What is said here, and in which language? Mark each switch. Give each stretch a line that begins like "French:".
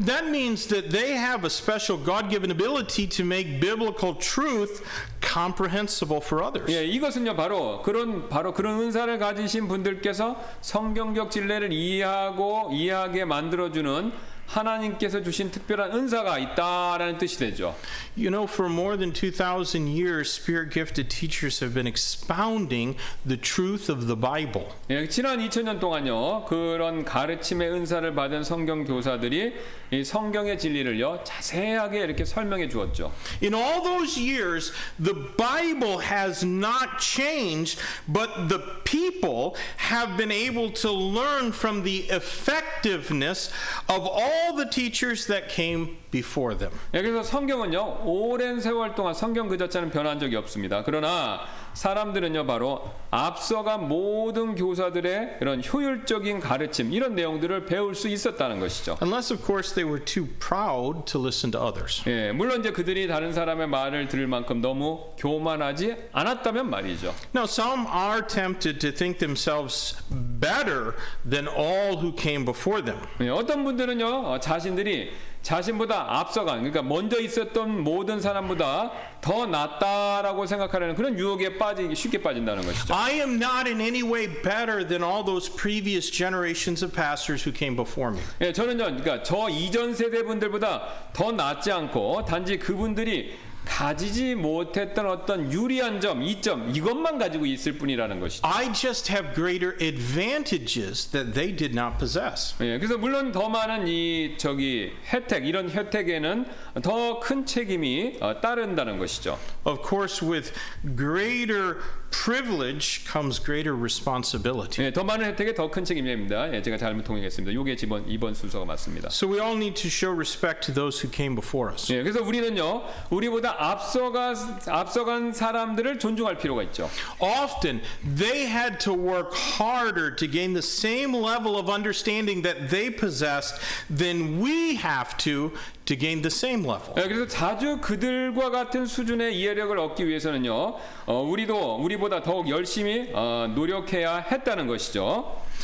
English: That means that they have a special God-given ability to make biblical truth comprehensible for others.
Korean: 예, 이것은요 바로 그런 은사를 가지신 분들께서 성경적 진리를 이해하고 이해하게 만들어 주는 하나님께서 주신 특별한 은사가 있다라는 뜻이 되죠.
English: You know, for more than 2000 years spirit gifted teachers have been expounding the truth of the Bible.
Korean: 예, 지난 2000년 동안요. 그런 가르침의 은사를 받은 성경 교사들이 이 성경의 진리를요 자세하게 이렇게 설명해 주었죠.
English: In all those years, the Bible has not changed, but the people have been able to learn from the effectiveness of all the teachers that came before them.
Korean: 그래서 성경은요 오랜 세월 동안 성경 그 자체는 변한 적이 없습니다. 그러나 사람들은요 바로 앞서간 모든 교사들의 이런 효율적인 가르침 이런 내용들을 배울 수 있었다는 것이죠.
English: Unless of course they were too proud to listen to others.
Korean: 예, 물론 이제 그들이 다른 사람의 말을 들을 만큼 너무 교만하지 않았다면 말이죠.
English: Now some are tempted to think themselves better than all who came before them.
Korean: 예, 어떤 분들은요 자신들이 자신보다 앞서간 그러니까 먼저 있었던 모든 사람보다 더 낫다라고 생각하려는 그런 유혹에 쉽게 빠진다는 것이죠.
English: I am not in any way better than all those previous generations of pastors who came before me.
Korean: 예, 저는요, 그러니까 저 이전 세대분들보다 더 낫지 않고 단지 그분들이 가지지 못했던 어떤 유리한 점, 이점 이것만 가지고 있을 뿐이라는 것이죠.
English: I just have greater advantages that they did not possess.
Korean: 예, 그래서 물론 더 많은 이 저기 혜택 이런 혜택에는 더 큰 책임이 따른다는 것이죠.
English: Of course, with greater privilege comes greater responsibility.
Korean: 예, 더 많은 혜택에 더 큰 책임입니다. 예, 제가 잘못 통역했습니다. 이게 이번 순서가 맞습니다.
English: So we all need to show respect to those who came before us.
Korean: 예, 그래서 우리는요, 우리보다 앞서간 사람들을 존중할 필요가 있죠.
English: Often they had to work harder to gain the same level of understanding that they possessed than we have to gain the same level.
Korean: 예, 그래서 자주 그들과 같은 수준의 이해력을 얻기 위해서는요, 우리보다 더욱 열심히 노력해야 했다는 것이죠.